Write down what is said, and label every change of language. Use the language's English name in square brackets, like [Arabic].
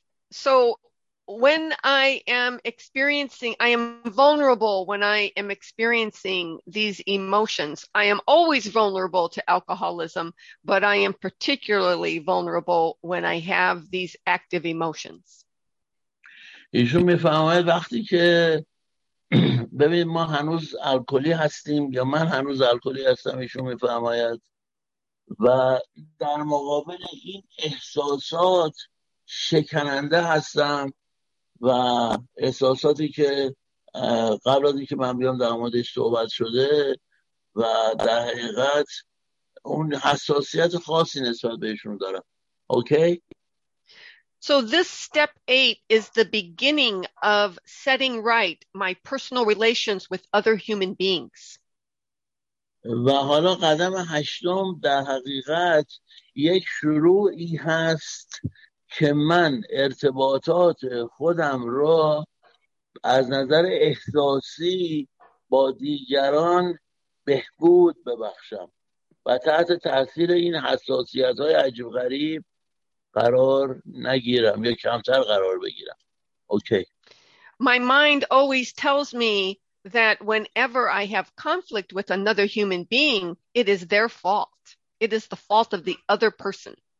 [English] So when I am experiencing, I am vulnerable when I am experiencing these emotions. I am always vulnerable to alcoholism, but I am particularly vulnerable when I have these active emotions. [Persian] ایشون میفهمه وقتی که ببین ما هنوز الکلی هستیم یا من هنوز الکلی هستم، ایشون میفهمد، و در مقابل این احساسات شکننده هستم و احساساتی که قبل از اینکه من بیام در موردش صحبت شده و در حقیقت اون حساسیت خاصی نسبت بهشون دارم. اوکی؟ [English] So this step 8 is the beginning of setting right my personal relations with other human beings. [Persian] و حالا قدم هشتم در حقیقت یک شروعی هست که من ارتباطات خودم را از نظر احساسی با دیگران بهبود ببخشم و تحت تاثیر این حساسیت‌های عجیب غریب قرار نگیرم یا کمتر قرار بگیرم. اوکی. [English] My mind always tells me that whenever I have conflict with another human being, it is their fault. It is the fault of the other person.